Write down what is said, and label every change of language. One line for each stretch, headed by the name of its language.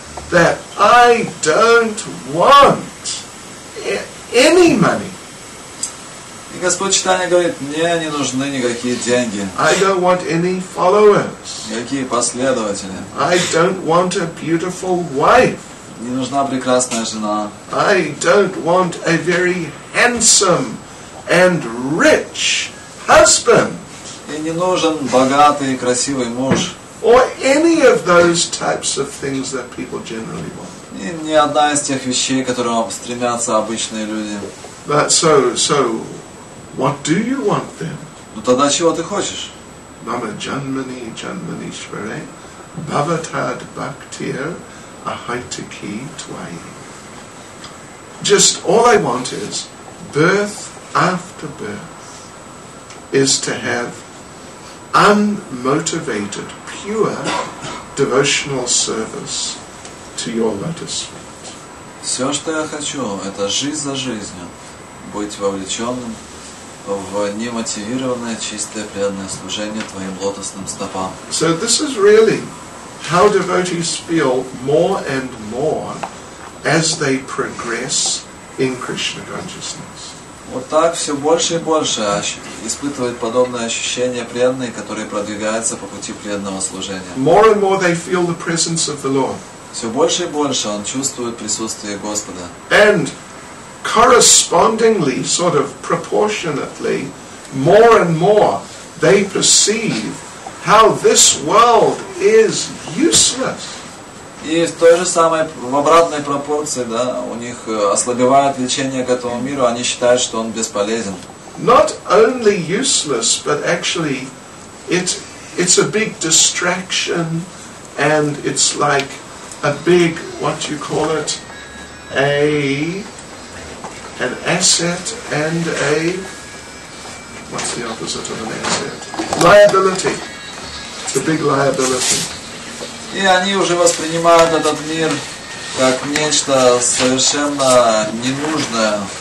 English: That I don't want any money.
Russian: И Господь Чайтанья говорит, мне не нужны никакие деньги.
English: I don't want any followers.
Russian: Никакие последователи.
English: I don't want a beautiful wife.
Russian: Не нужна прекрасная жена.
English: I don't want a very handsome and rich husband.
Russian: И не нужен богатый и красивый муж.
English: Or any of those types of things that people generally want.
Russian: И ни одна из тех вещей, к которым стремятся обычные люди.
English: But so what do you want then?
Russian: Ну тогда чего ты хочешь?
Sanskrit: Мама Джанмани Джанманишваре Бхаватад Бхактир Ахайтаки Твайи.
English: Just all I want is birth after birth is to have unmotivated, pure devotional service to your lotus feet.
Russian: Все, что я хочу, это жизнь за жизнью быть вовлеченным в немотивированное, чистое, преданное служение твоим лотосным стопам.
English: So this is really how devotees feel more and more as they progress in Krishna consciousness.
Russian: Вот так все больше и больше испытывают подобное ощущение преданные, которые продвигаются по пути преданного служения.
English: More and more they feel the presence of the Lord.
Russian: Все больше и больше он чувствует присутствие Господа.
English: And correspondingly, sort of proportionately, more and more they perceive how this world is useless.
Russian: И в той же самой, в обратной пропорции, да, у них ослабевает влечение к этому миру, они считают, что он бесполезен.
English: Not only useless, but actually it's a big distraction, and it's like a big, what do you call it, an asset and a, what's the opposite of an asset? Liability. It's a big liability.
Russian: И они уже воспринимают этот мир как нечто совершенно ненужное.